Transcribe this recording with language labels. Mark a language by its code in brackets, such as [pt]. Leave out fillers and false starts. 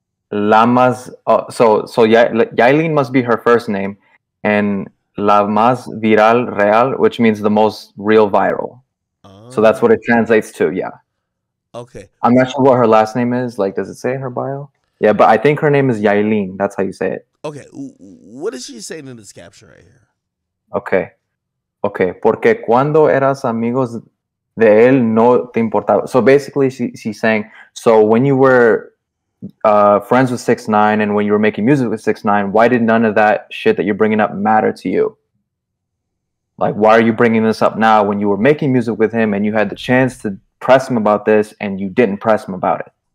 [en] Lamas, Yailin must be her first name, and La Más Viral Real, which means the most real viral. So that's what it translates to, yeah. Okay. I'm not sure what her last name is. Like, does it say her bio? Yeah, but I think her name is Yailin. That's how you say it. Okay. What is she saying in this caption right here? Okay. Okay. [es] Porque cuando eras amigos de él, no te importaba. [en] So basically, she's saying, so when you were... friends with 6ix9ine, and when you were making music with 6ix9ine, why did none of that shit that you're bringing up matter to you? Like, why are you bringing this up now when you were making music with him and you had the chance to press him about this and you didn't press him about it?